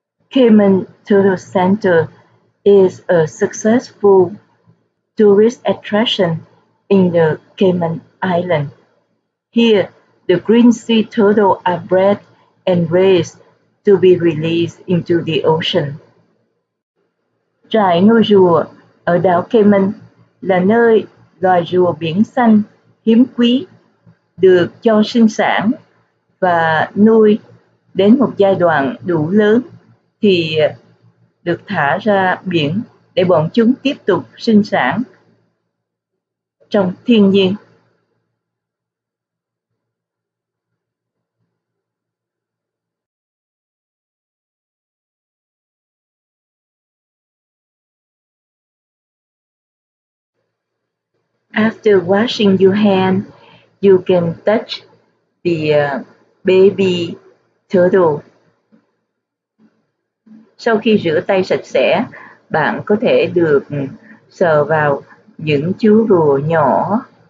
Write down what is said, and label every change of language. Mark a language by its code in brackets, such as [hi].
[en] Human to the center is a successful tourist attraction in the Cayman Island. Here, the green sea turtles are bred and raised to be released into the ocean. [vi] Trại nuôi rùa ở đảo Cayman là nơi loài rùa biển xanh hiếm quý được cho sinh sản và nuôi đến một giai đoạn đủ lớn thì được thả ra biển để bọn chúng tiếp tục sinh sản trong thiên nhiên. [en] After washing your hand, you can touch the baby turtle. [vi] Sau khi rửa tay sạch sẽ, bạn có thể được sờ vào những chú rùa nhỏ.